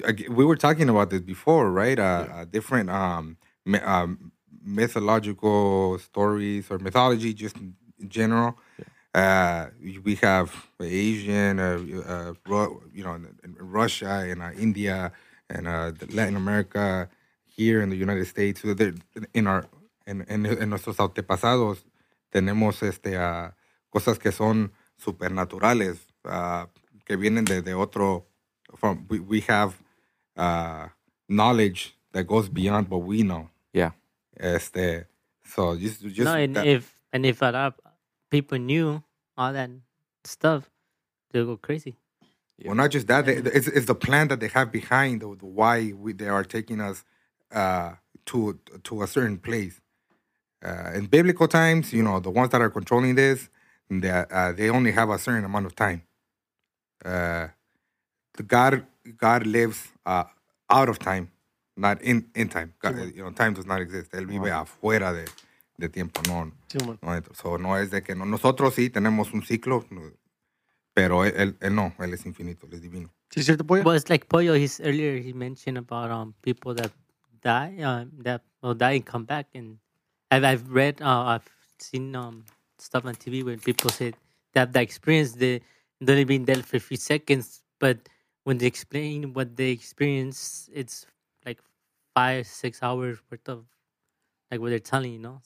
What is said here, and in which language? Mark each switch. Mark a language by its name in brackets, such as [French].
[English] We were talking about this before, right? Different mythological stories or mythology just in general. We have Asian, in Russia and India and Latin America, here in the United States. So in [Spanish] nuestros antepasados, tenemos cosas que son supernaturales que vienen de otro. [English] We have knowledge that goes beyond what we know. Yeah. If a lot of people knew all that stuff, they'll go crazy. Yeah. Well, not just that. It's the plan that they have behind why they are taking us to a certain place. In biblical times, you know, the ones that are controlling this, they only have a certain amount of time. God lives out of time, not in time. God, sí, you know, time does not exist. [Spanish] Él vive afuera de tiempo. No, sí, no. So no es de que no. Nosotros sí tenemos un ciclo, pero él no. Él es infinito. Él es divino. ¿Sí es cierto, Pollo? [English] Well, it's like Pollo. He mentioned about people that die and come back. And I've seen stuff on TV where people said that the experience, they've only been dead for a few seconds, but when they explain what they experience, it's like 5-6 hours worth of like what they're telling, you know.